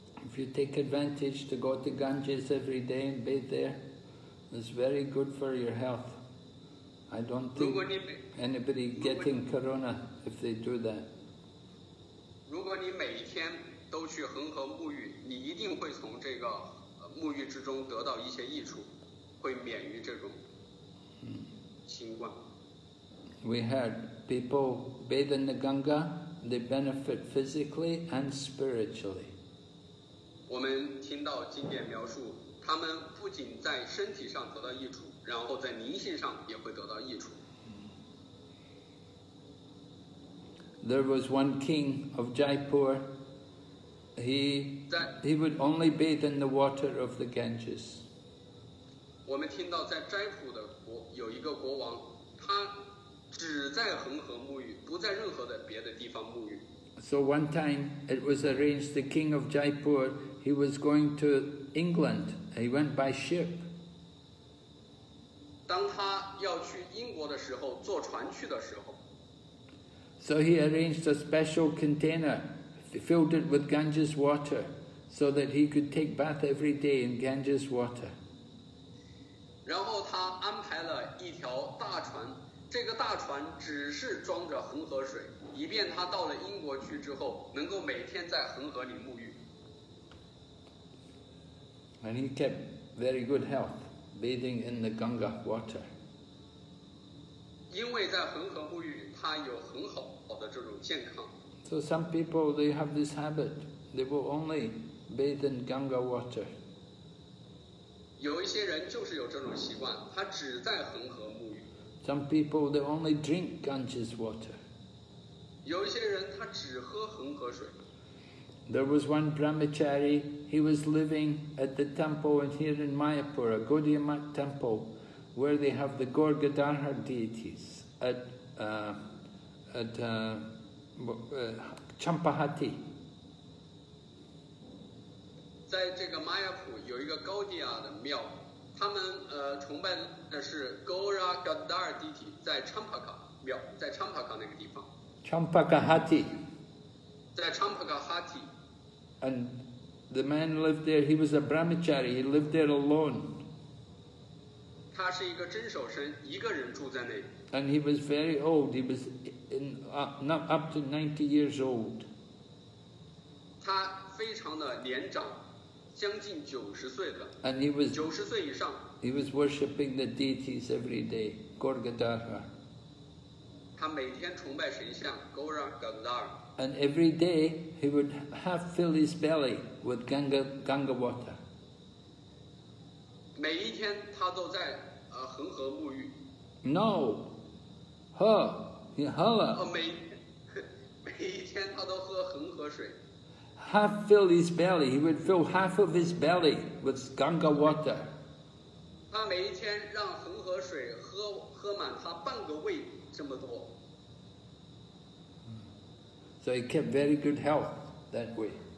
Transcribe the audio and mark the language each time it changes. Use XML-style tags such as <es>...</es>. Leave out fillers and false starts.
<en>If you take advantage to go to Ganges every day and bathe there, it's very good for your health. I don't think anybody getting corona if they do that.</en> <zh>如果你每天都去恒河沐浴，你一定会从这个沐浴之中得到一些益处，会免于这种新冠。</zh> <en>We heard people bathe in the Ganga. They benefit physically and spiritually.</en> <zh>我们听到经典描述，他们不仅在身体上得到益处，然后在灵性上也会得到益处。</zh> <en>There was one king of Jaipur. He would only bathe in the water of the Ganges.</en> <zh>我们听到在斋普的国有一个国王，他。只在恒河沐浴，不在任何的别的地方沐浴。</zh> <en>So one time it was arranged, the king of Jaipur, he was going to England. He went by ship.</en> <zh>当他要去英国的时候，坐船去的时候。</zh> <en>So he arranged a special container, filled it with Ganges water, so that he could take bath every day in Ganges water.</en> <zh>然后他安排了一条大船。这个大船只是装着恒河水，以便他到了英国去之后能够每天在恒河里沐浴。</zh> <en>And he kept very good health bathing in the Ganga water.</en> <zh>因为在恒河沐浴他有很好的这种健康。</zh> <en>So some people they have this habit, they will only bathe in Ganga water.</en> <zh>有一些人就是有这种习惯，他只在恒河沐浴。</zh> <en>Some people they only drink Ganges water.</en> <zh>有一些人他只喝恒河水。</zh> <en>There was one brahmachari, he was living at the temple and here in Mayapur, a Gaudiya Math temple, where they have the Gorgadhar deities at Champahati.</en> <zh>在这个 Mayapur 有一个 Gaudiya 的庙，他们崇拜的是 Gorgadhar deity， 在 Champaka 庙，在 Champaka 那个地方。</zh> <en>Champakahati.</en> <zh>在 Champakahati.</zh> <en>And the man lived there, he was a brahmachari, he lived there alone.</en> <zh>他是一个真守身，一个人住在那里。</zh> <en>And he was very old, he was not up to 90 years old.</en> <zh>他非常的年长，将近90岁了。</zh> <en>And he was</en> <zh>90岁以上。</zh> <en>He was worshipping the deities every day, Gorgadhara.</en> <zh>他每天崇拜神像 Gorgadhara.</zh> <en>And every day he would half fill his belly with Ganga water.</en> <zh>每一天他都在恒河沐浴。 No, her, he hella. 每一天他都喝恒河水。</zh> <en>Half fill his belly, he would fill half of his belly with Ganga water.</en> <zh>他每一天让恒河水喝满他半个胃这么多。</zh> <en>So he kept very good health that way.</en>